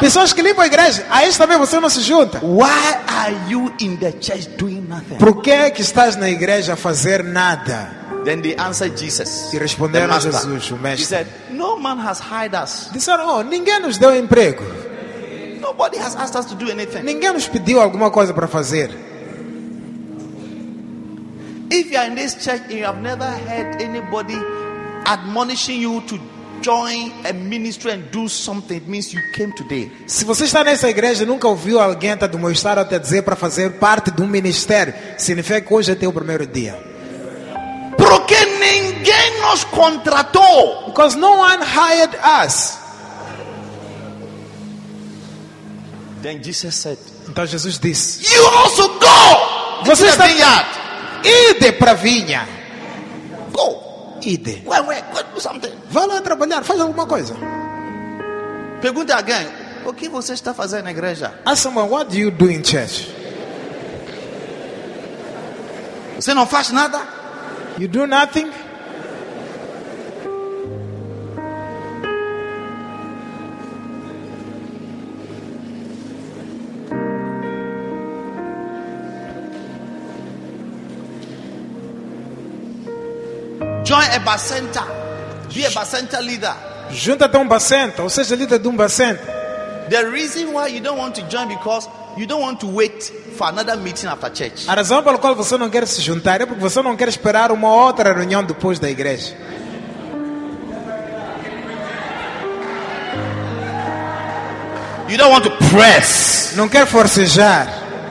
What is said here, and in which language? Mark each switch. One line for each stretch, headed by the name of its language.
Portuguese: Pessoas que limpam a igreja, a isso também você não se junta.
English: Why are you in the church doing nothing?
Portuguese: Por que é que estás na igreja a fazer nada?
English: Then they answered Jesus.
Portuguese: E responderam a Jesus, o mestre.
English: He said, no man has hired us.
Portuguese: Disseram, oh, ninguém nos deu emprego.
English: Nobody has asked us to do anything.
Portuguese: Ninguém nos pediu alguma coisa para fazer.
English: If you are in this church and you have never heard anybody admonishing you to join a ministry and do something, it means you came today.
Portuguese: Se você está nessa igreja e nunca ouviu alguém te admoestar ou te dizer para fazer parte de um ministério, significa que hoje é teu primeiro dia. Porque ninguém nos contratou.
English: Because no one hired us. Then Jesus said,
Portuguese: então Jesus disse,
English: you also go.
Portuguese: Você está aqui. Ide para a vinha.
English: Go.
Portuguese: Ide.
English: Go do something.
Portuguese: Vá lá trabalhar. Faz alguma coisa. Pergunta alguém. O que você está fazendo na igreja?
English: Ask someone, what do you do in church?
Portuguese: Você não faz nada?
English: You do nothing? Join a bacenta. Be a bacenta leader.
Portuguese: Junta-te a um bacenta, ou seja, líder de um bacenta.
English: The reason why you don't want to join because you don't want to wait for another meeting after church.
Portuguese: A razão pela qual você não quer se juntar é porque você não quer esperar uma outra reunião depois da igreja.
English: You don't want to press.
Portuguese: Não quer forcejar.